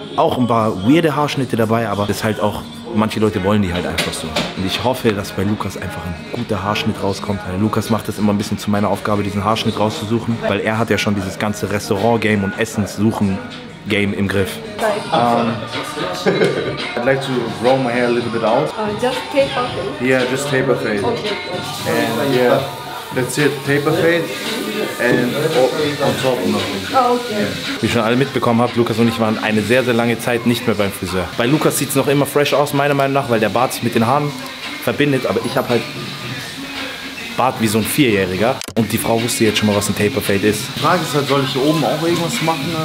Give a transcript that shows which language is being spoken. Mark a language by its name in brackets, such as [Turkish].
[German] Auch ein paar weirde Haarschnitte dabei, aber das ist halt auch, manche Leute wollen die halt einfach so. Und ich hoffe, dass bei Lukas einfach ein guter Haarschnitt rauskommt. Weil Lukas macht das immer ein bisschen zu meiner Aufgabe, diesen Haarschnitt rauszusuchen, weil er hat ja schon dieses ganze Restaurant-Game und Essenssuchen-Game im Griff. [English] I'd like to grow my hair a little bit out. Just taper fade? Yeah, just taper fade. Okay. And yeah, that's it, taper fade. And on top nothing. Oh, okay. [German] Wie schon alle mitbekommen habt, Lukas und ich waren eine sehr, sehr lange Zeit nicht mehr beim Friseur. Bei Lukas sieht es noch immer fresh aus, meiner Meinung nach, weil der Bart sich mit den Haaren verbindet. Aber ich habe halt Bart wie so ein Vierjähriger. Und die Frau wusste jetzt schon mal, was ein Taper Fade ist. Die Frage ist halt, soll ich hier oben auch irgendwas machen?